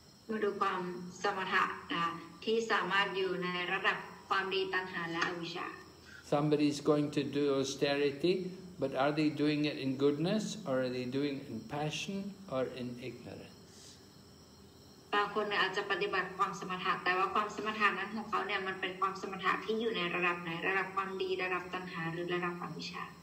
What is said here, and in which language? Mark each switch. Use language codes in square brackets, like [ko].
[th] มาดูความสมถะที่สามารถอยู่ในระดับความดีตัณหาและอวิชชา [en] Somebody is going to do austerity, but are they doing it in goodness or are they doing it in passion or in ignorance? [th] บางคนอาจจะปฏิบัติความสมถะแต่ว่าความสมถะนั้นของเขาเนี่ยมันเป็นความสมถะที่อยู่ในระดับไหนระดับความดีระดับตัณหาหรือระดับอวิชชา